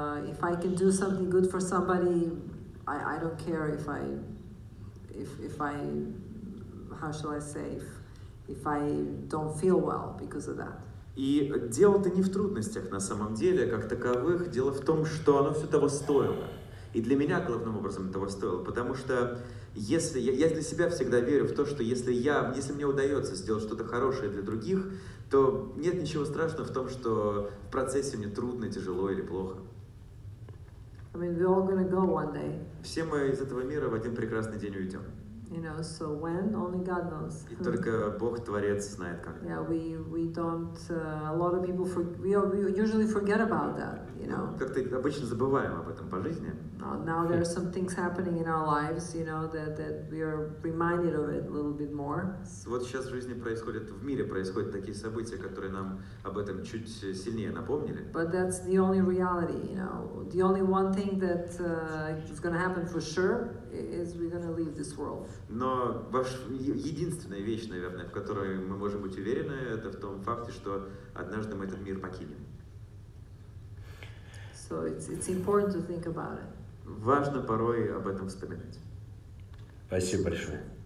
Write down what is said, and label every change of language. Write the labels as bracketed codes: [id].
[en] If I can do something good for somebody, I don't care if I don't feel well because of that. [ru] И дело-то не в трудностях на самом деле, как таковых, дело в том, что оно все того стоило. И для меня главным образом того стоило, потому что если я для себя всегда верю в то, что если мне удается сделать что-то хорошее для других, то нет ничего страшного в том, что в процессе мне трудно, тяжело или плохо. [en] I mean, we're all gonna go one day. [ru] Все мы из этого мира в один прекрасный день уйдем. [en] You know, so when? Only God knows. [ru] И только Бог Творец знает как. [en] Yeah, we don't. A lot of people we usually forget about that. You know. [ru] Как-то обычно забываем об этом по жизни. [en] Now there are some things happening in our lives, you know, that we are reminded of it a little bit more. [ru] Вот сейчас в жизни происходят, в мире происходят такие события, которые нам об этом чуть сильнее напомнили. [en] But that's the only reality, you know. The only one thing that is going to happen for sure is we're going to leave this world. [ru] Но единственная вещь, наверное, в которой мы можем быть уверены, это в том факте, что однажды мы этот мир покинем. [en] So it's important to think about it. [ru] Важно порой об этом вспоминать. Спасибо большое.